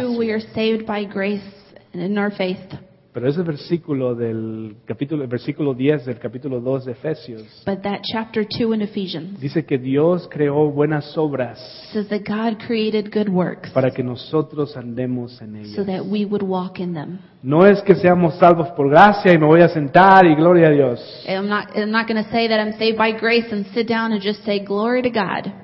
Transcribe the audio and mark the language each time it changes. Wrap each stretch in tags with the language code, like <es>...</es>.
<en>True, we are saved by grace and in our faith.</en> <es>Pero ese versículo del capítulo, el versículo 10 del capítulo 2 de Efesios.</es> <en>But that chapter 2 in Ephesians.</en> <es>Dice que Dios creó buenas obras.</es> <en>Says that God created good works.</en> <es>Para que nosotros andemos en ellas.</es> <en>So that we would walk in them.</en> <es>No es que seamos salvos por gracia y me voy a sentar y gloria a Dios.</es> <en>I'm not going to say that I'm saved by grace and sit down and just say glory to God.</en>